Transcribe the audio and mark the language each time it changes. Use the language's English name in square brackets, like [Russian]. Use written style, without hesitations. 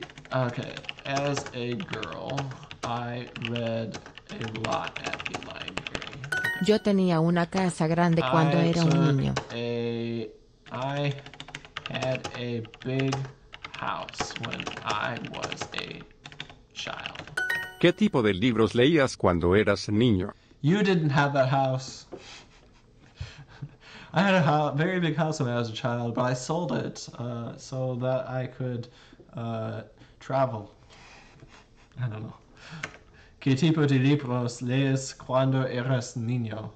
[English] As a girl, I read a lot at the library. [Spanish] Yo tenía una casa grande cuando era un niño. [English] I had a big house when I was a child. [Spanish] ¿Qué tipo de libros leías cuando eras niño? [English] You didn't have that house. I had a very big house when I was a child, but I sold it so that I could travel. I don't know. [Spanish] ¿Qué tipo de libros lees cuando eras niño?